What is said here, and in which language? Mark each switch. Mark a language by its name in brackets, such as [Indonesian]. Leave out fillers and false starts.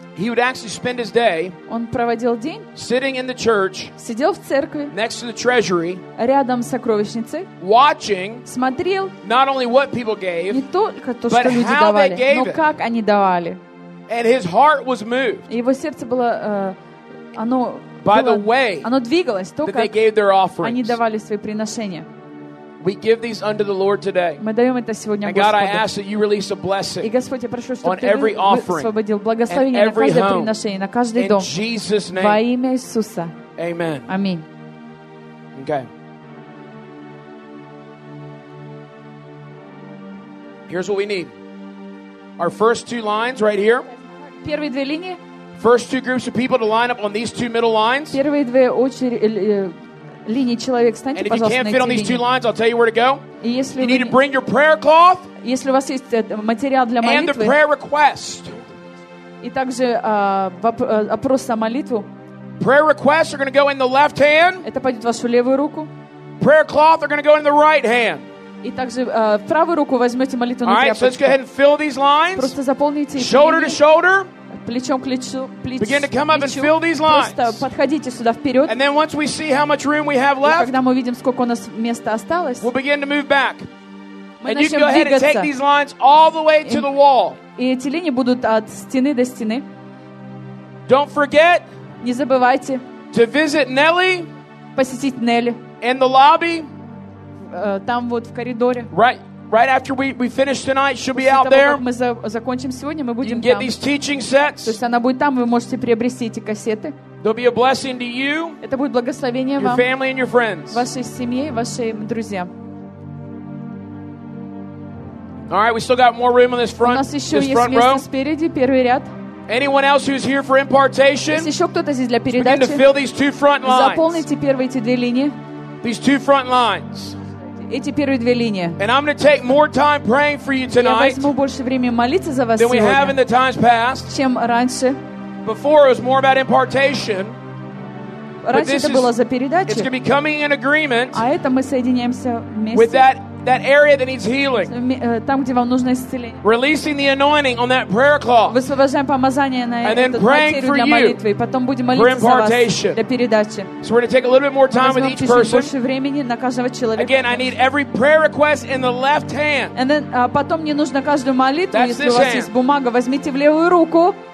[English] he would actually spend his day. [Russian] Он проводил день. [English] Sitting in the church. [Russian] Сидел в церкви. [English] Next to the treasury. [Russian] Рядом с сокровищницей. [English] Watching. [Russian] Смотрел. [English] Not only what people gave. [Russian] Не только то, что люди давали, но как они давали. [English] And his heart was moved. [Russian] Его сердце было, оно оно двигалось, то, как они давали свои приношения. [English] We give these unto the Lord today. [Russian] Мы даем это сегодня Господу. [English] And God, I ask that you release a blessing. [Russian] И Господь, я прошу, чтобы ты освободил благословение на каждое приношение, на каждый дом. [English] In Jesus' name. [Russian] Во имя Иисуса. [English] Amen. [Russian] Аминь. [English] Okay. Here's what we need. Our first two lines right here. [Russian] Первые две линии. [English] First two groups of people to line up on these two middle lines. [Russian] Первые две очереди. Линии человек, встаньте, [English] and if you can't fit on these two lines, I'll tell you where to go. You [Russian] вы... [English] need to bring your prayer cloth. [Russian] Если у вас есть материал для молитвы. [English] And the prayer request. [Russian] И также опрос о молитву. [English] Prayer requests are going to go in the left hand. [Russian] Это пойдет в вашу левую руку. [English] Prayer cloth are going to go in the right hand. [Russian] И также правую руку возьмете молитву. [English] All right, so let's go ahead and fill these lines. [Russian] Просто заполните. [English] Shoulder to shoulder. [Russian] Плечом к плечу, [English] begin to come up and fill these lines. [Russian] Просто подходите сюда вперед. [English] And then once we see how much room we have left, [Russian] и когда мы видим, сколько у нас места осталось, [English] we'll begin to move back. [Russian] Мы начнем двигаться. [English] And you can go ahead and take these lines all the way to the wall. [Russian] И эти линии будут от стены до стены. [English] Don't forget. [Russian] Не забывайте. [English] To visit Nelly. [Russian] Посетить Нелли. [English] In the lobby. [Russian] Там вот в коридоре. [English] Right. Right after we finish tonight, she'll be out there. [Russian] Мы закончим сегодня, мы будем там. [English] You get these teaching sets. [Russian] То есть она будет там, вы можете приобрести эти кассеты. [English] There'll be a blessing to you. [Russian] Это будет благословение вам. [English] Your family and your friends. [Russian] Вашей семье, вашим друзьям. [English] All right, we still got more room on this front. [Russian] У нас еще есть место спереди, первый ряд. [English] Anyone else who's here for impartation? [Russian] Если еще кто-то здесь для передачи. [English] Begin to fill these two front lines. [Russian] Заполните первые эти две линии. [English] These two front lines. [Russian] Эти первые две линии. [English] And I'm going to take more time praying for you tonight. [Russian] Я возьму больше времени молиться за вас [English] than we have in the times past. [Russian] Чем раньше. [English] Before it was more about impartation. [Russian] Раньше это было за передачу. [English] It's going to be coming in agreement. [Russian] А это мы соединяемся вместе. [English] With that area that needs healing. [Russian] Там, где вам нужно исцеление. [English] Releasing the anointing on that prayer cloth. [Russian] Высвобождаем помазание на этот материю для молитвы. И потом будем молиться за вас для передачи. [English] So we're going to take a little bit more time with each person. [Russian] Больше времени на каждого человека. [English] Again, I need every prayer request in the left hand. And then, [Russian] потом мне нужно каждую молитву, если у вас есть бумага, возьмите в левую руку.